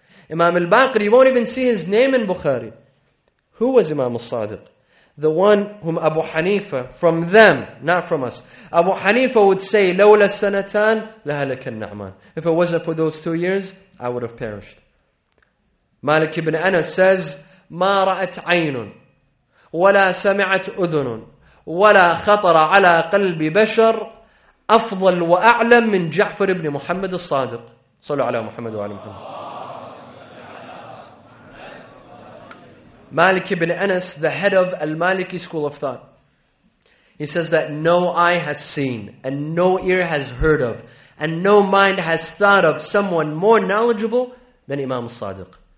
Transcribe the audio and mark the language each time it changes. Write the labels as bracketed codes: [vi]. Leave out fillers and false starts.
[en] Imam al-Baqir, you won't even see his name in Bukhari. Who was Imam al-Sadiq? The one whom Abu Hanifa, from them, not from us. Abu Hanifa would say, [ar] لَوْلَا السَّنَتَانْ لَهَلَكَ النَّعْمَانِ. [en] If it wasn't for those 2 years, I would have perished. Malik ibn Anas says, [ar] مَا رَأَتْ عَيْنٌ وَلَا سَمِعَتْ أُذُنٌ وَلَا خَطَرَ عَلَىٰ قَلْبِ بَشَرٌ أَفْضَلْ وَأَعْلَمْ مِنْ جَعْفَرِ ibn Muhammad al-Sadiq. صلوا على محمد وعلى محمد. [en] Malik ibn Anas, the head of Al-Maliki school of thought. He says that no eye has seen, and no ear has heard of, and no mind has thought of someone more knowledgeable than Imam Sadiq.